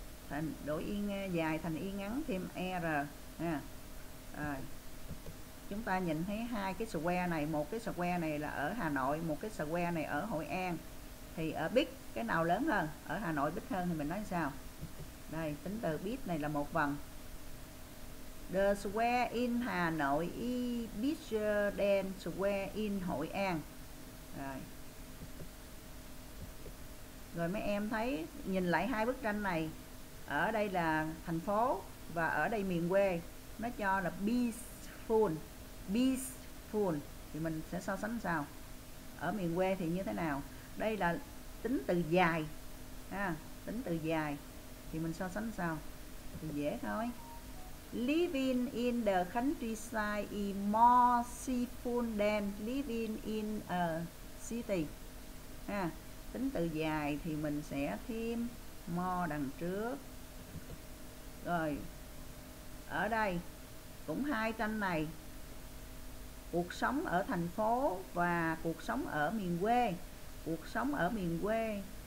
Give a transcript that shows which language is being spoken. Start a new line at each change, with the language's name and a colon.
Vietnamese: Thành đổi y dài thành y ngắn thêm r nha. Rồi. Chúng ta nhìn thấy hai cái square này, một cái square này là ở Hà Nội, một cái square này ở Hội An, thì ở big cái nào lớn hơn? Ở Hà Nội big hơn thì mình nói sao? Đây, tính từ big này là một vần.
English: The square in Hà Nội is bigger than square in Hội An.
Vietnamese: Rồi. Rồi mấy em thấy, nhìn lại hai bức tranh này, ở đây là thành phố, Và ở đây miền quê nó cho là peaceful. Peaceful thì mình sẽ so sánh sao? Ở miền quê thì như thế nào? Đây là tính từ dài ha, tính từ dài thì mình so sánh sao? Thì dễ thôi.
English: Living in the countryside is more peaceful than living in a city.
Vietnamese: Ha, tính từ dài thì mình sẽ thêm more đằng trước. Rồi. Ở đây cũng hai tranh này. Cuộc sống ở thành phố và cuộc sống ở miền quê. Cuộc sống ở miền quê.